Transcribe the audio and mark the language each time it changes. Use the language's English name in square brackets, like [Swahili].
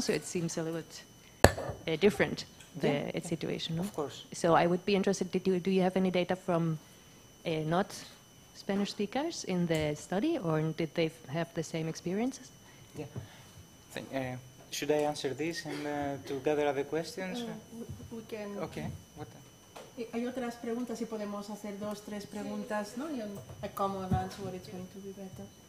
[English] So it seems a little bit different. Its situation, no? Of course. So I would be interested, do you have any data from not Spanish speakers in the study, or did they have the same experiences? Yeah. Should I answer this and to gather other questions? We can. Okay. What? [Spanish] Hay otras preguntas, si podemos hacer dos, tres preguntas, no? [English] Y a common answer, it's going to be better.